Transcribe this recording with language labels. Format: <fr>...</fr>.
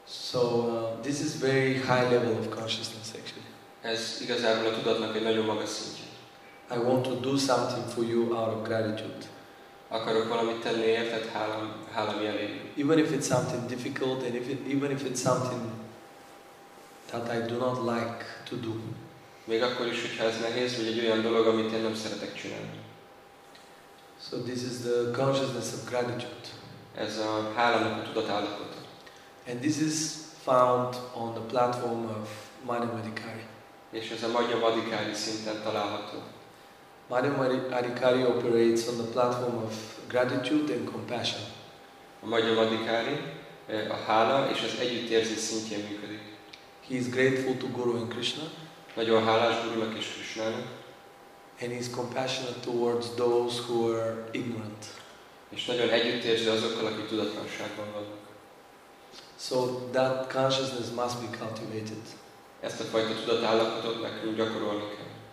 <en>So this is very high level of consciousness actually.</en> <hu>Ez igazából a tudatnak egy nagyon magas szintje.</hu> <en>I want to do something for you out of gratitude.</en> <hu>Akarok valamit tenni érted, hálám jelén.</hu> <en>Even if it's something difficult and even if it's something that I do not like to do.</en> <hu>Még akkor is, hogyha ez nehéz, vagy egy olyan dolog, amit én nem szeretek csinálni.</hu> <en>So this is the consciousness of gratitude.</en> <hu>Ez a hálának a tudatállapota.</hu> <en>And this is found on the platform of Madhyam Adhikari.</en> <hu>És ez a Madhyam Adhikari szinten található.</hu> <en>Madhyam Adhikari operates on the platform of gratitude and compassion.</en> <hu>A Madhyam Adhikari a hála és az együttérzés szintjén működik.</hu> <en>He is grateful to Guru and Krishna.</en> <hu>Nagyon hálás Gurunak és Krishnának.</hu> <en>and he's compassionate towards those who are ignorant.</en> <hu>És nagyon együttérző azokkal, akik tudatlanságban vannak.</hu> <en>So that consciousness must be cultivated.</en> <hu>Ezt a fajta tudatállapotot nekünk gyakorolni kell.</hu>